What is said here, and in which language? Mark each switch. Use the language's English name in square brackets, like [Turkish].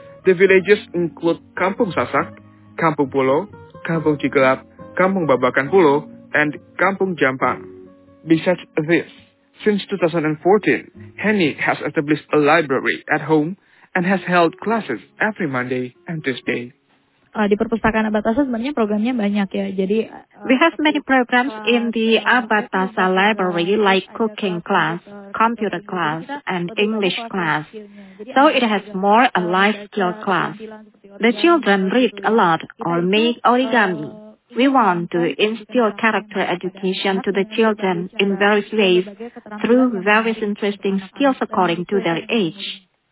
[English] The villages include Kampung Sasak, Kampung Pulo, Kampung Cigalat, Kampung Babakan Pulo, and Kampung Jampang. Besides this, since 2014, Henny has established a library at home and has held classes every Monday and Tuesday. [Indonesian] Di perpustakaan Abatasa sebenarnya programnya banyak ya. Jadi [English] we have many programs in the Abatasa library like cooking class, computer class, and English class. So it has more a life skill class. The children read a lot or make origami. We want to instill character education to the children in various ways through various interesting skills according to their age.